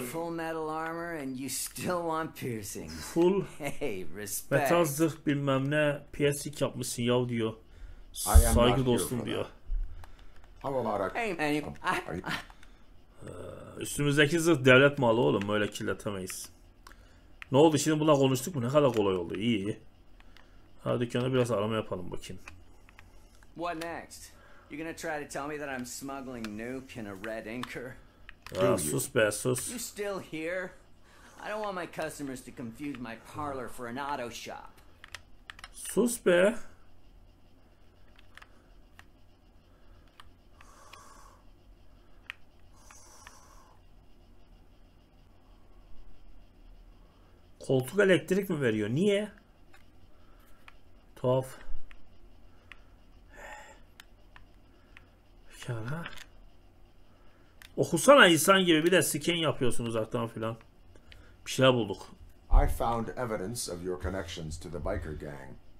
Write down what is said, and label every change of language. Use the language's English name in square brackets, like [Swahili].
[English] Full metal armor and you still want piercings. Full. Hey, respect. [Turkish] Metal zırh bilmem ne, piercing yapmışsın yav diyor. Saygı dostum diyor. [English] How about a... Hey man, [Turkish] üstümüzdeki zırh devlet malı oğlum, öyle kirletemeyiz. Ne oldu şimdi, bununla konuştuk mu? Ne kadar kolay oldu. İyi. Hadi dükkanı biraz arama yapalım bakayım. [English] What next? You gonna try to tell me that I'm smuggling nuke in a red anchor? [Turkish] Sus be, sus. [English] You still here? I don't want my customers to confuse my parlor for an auto shop. [Turkish] Sus be. Koltuk elektrik mi veriyor? Niye? Tuhaf. Pekala. Okusana insan gibi, bir de scan yapıyorsun uzaktan filan. Bir şeyler bulduk. [English] I found evidence of your connections to the biker gang.